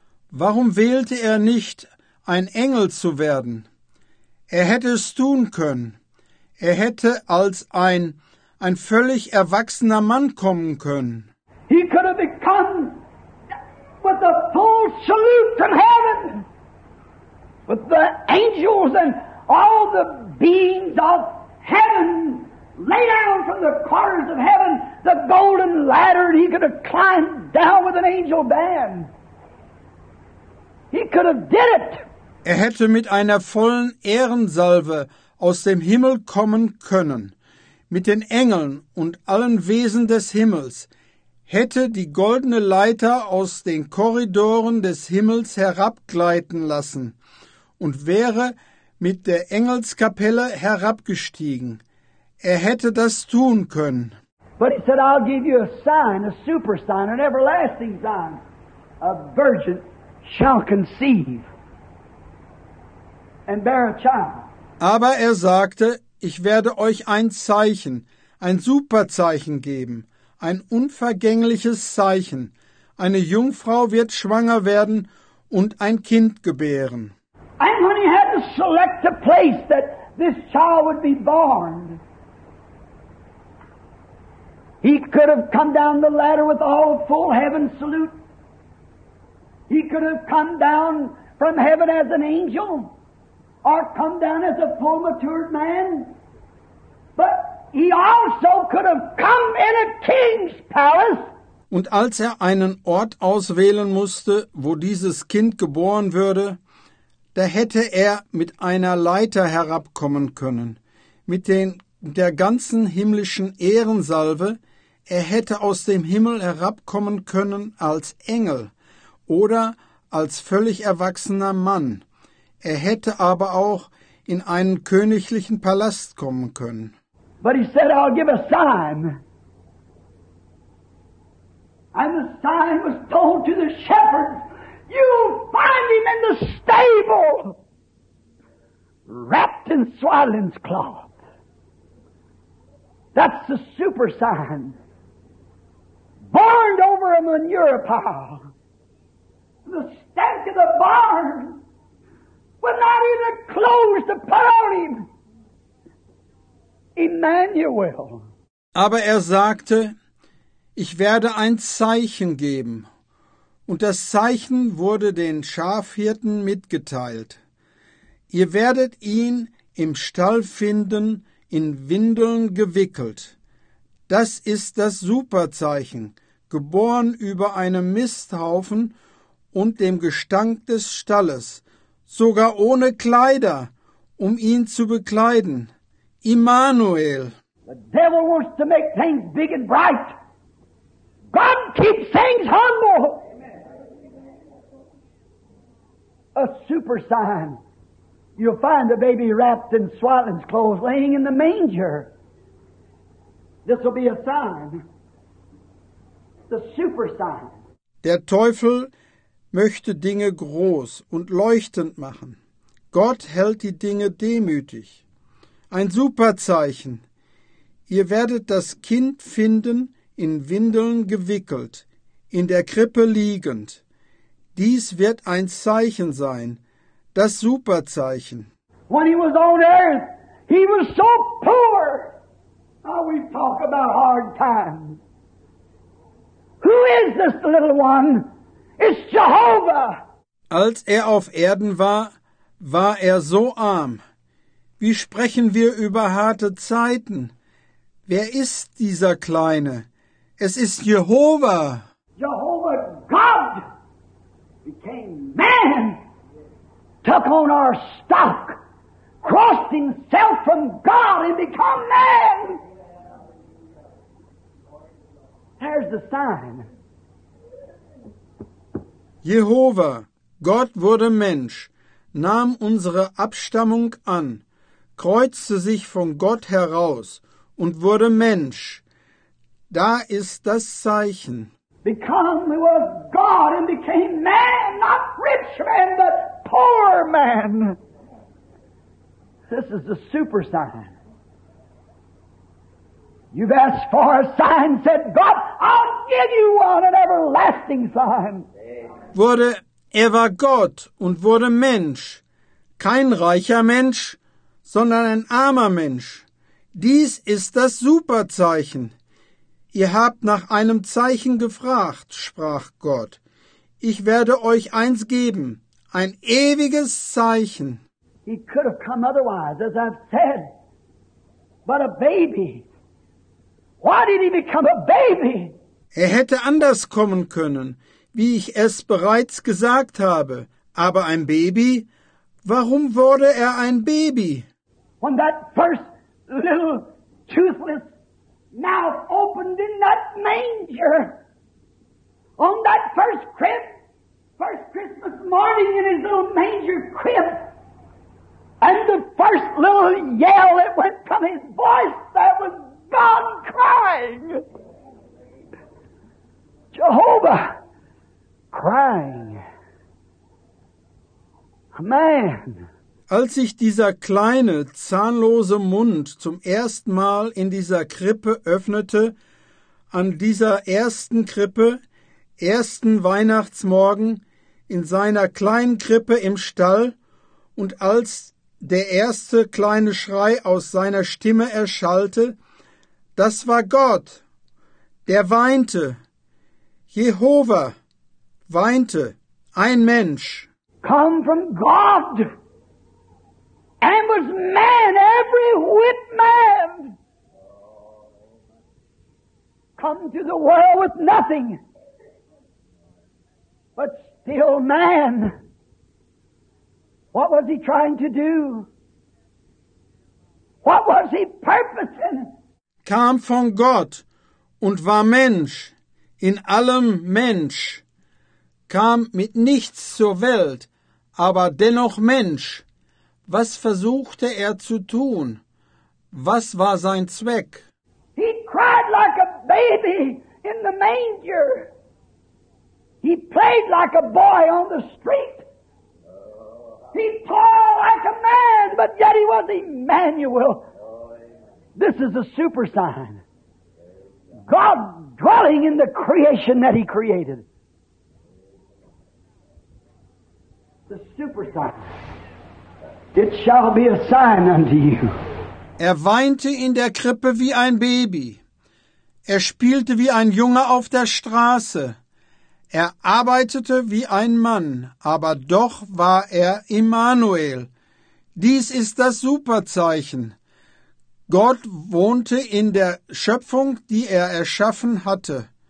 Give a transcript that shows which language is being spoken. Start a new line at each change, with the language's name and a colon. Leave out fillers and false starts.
German: Warum wählte er nicht, ein Engel zu werden? Er hätte es tun können. Er hätte als ein völlig erwachsener Mann kommen können.
English: He could have become with a full salute from heaven, with the angels and all the beings of heaven lay down from the corners of heaven the golden ladder, and he could have climbed down with an angel band. He could have did it.
German: Er hätte mit einer vollen Ehrensalve aus dem Himmel kommen können, mit den Engeln und allen Wesen des Himmels, hätte die goldene Leiter aus den Korridoren des Himmels herabgleiten lassen und wäre mit der Engelskapelle herabgestiegen. Er hätte das tun können.
English: But he said, I'll give you a sign, a super sign, an everlasting sign. A virgin shall conceive and bear a child.
German: Aber er sagte, ich werde euch ein Zeichen, ein Superzeichen geben, ein unvergängliches Zeichen. Eine Jungfrau wird schwanger werden und ein Kind gebären.
English: And when he had to select a place that this child would be born, he could have come down the ladder with all full heaven salute. He could have come down from heaven as an angel, or come down as a full matured man. But he also could have come in a king's palace.
German: Und als er einen Ort auswählen musste, wo dieses Kind geboren würde, da hätte er mit einer Leiter herabkommen können, mit der ganzen himmlischen Ehrensalve. Er hätte aus dem Himmel herabkommen können als Engel oder als völlig erwachsener Mann. Er hätte aber auch in einen königlichen Palast kommen können.
English: But he said, I'll give a sign. And the sign was told to the shepherd, you'll find him in the stable, wrapped in swaddling's cloth. That's the super sign. Barned over a manure pile. The stank of the barn would not even close to put on him. Emmanuel.
German: Aber er sagte, ich werde ein Zeichen geben. Und das Zeichen wurde den Schafhirten mitgeteilt. Ihr werdet ihn im Stall finden, in Windeln gewickelt. Das ist das Superzeichen. Geboren über einem Misthaufen und dem Gestank des Stalles, sogar ohne Kleider, um ihn zu bekleiden. Immanuel.
English: The devil wants to make things big and bright. God keeps things humble. A super sign. You'll find the baby wrapped in swaddling's clothes, laying in the manger. This will be a sign. The super sign.
German: Der Teufel möchte Dinge groß und leuchtend machen. Gott hält die Dinge demütig. Ein Superzeichen. Ihr werdet das Kind finden, in Windeln gewickelt, in der Krippe liegend. Dies wird ein Zeichen sein, das Superzeichen.
English: When he was on earth, he was so poor. Now we talk about hard times. Who is this little one? It's Jehovah.
German: Als er auf Erden war, war er so arm. Wie sprechen wir über harte Zeiten? Wer ist dieser Kleine? Es ist Jehovah.
English: Jehovah God became man, took on our stock, crossed himself from God and became man. There's the sign.
German: Jehova, Gott wurde Mensch, nahm unsere Abstammung an, kreuzte sich von Gott heraus und wurde Mensch. Da ist das Zeichen.
English: Become who was God and became man, not rich man, but poor man. This is the super sign. You've asked for a sign, said God, I'll give you one, an everlasting sign.
German: Er war Gott und wurde Mensch. Kein reicher Mensch, sondern ein armer Mensch. Dies ist das Superzeichen. Ihr habt nach einem Zeichen gefragt, sprach Gott. ich werde euch eins geben, ein ewiges Zeichen.
English: He could have come otherwise, as I've said. But a baby. Why did he become a baby?
German: Er hätte anders kommen können, wie ich es bereits gesagt habe. Aber ein Baby? Warum wurde er ein Baby?
English: When that first little toothless mouth opened in that manger. On that first crib, first Christmas morning in his little manger crib. And the first little yell that went from his voice, that was God crying. Jehovah crying. A man.
German: Als sich dieser kleine, zahnlose Mund zum ersten Mal in dieser Krippe öffnete, an dieser ersten Krippe, ersten Weihnachtsmorgen, in seiner kleinen Krippe im Stall, und als der erste kleine Schrei aus seiner Stimme erschallte, das war Gott, der weinte. Jehova weinte, ein Mensch.
English: Come from God. And was man, every whit man. Come to the world with nothing. But still man. What was he trying to do? What was he purposing?
German: Kam von Gott und war Mensch, in allem Mensch. Kam mit nichts zur Welt, aber dennoch Mensch. Was versuchte er zu tun? Was war sein Zweck?
English: He cried like a baby in the manger. He played like a boy on the street. He toiled like a man, but yet he was Emmanuel. This is a super sign. God dwelling in the creation that he created. The super sign. It shall be a sign unto you.
German: Er weinte in der Krippe wie ein Baby. Er spielte wie ein Junge auf der Straße. Er arbeitete wie ein Mann, aber doch war er Immanuel. Dies ist das Superzeichen. Gott wohnte in der Schöpfung, die er erschaffen hatte.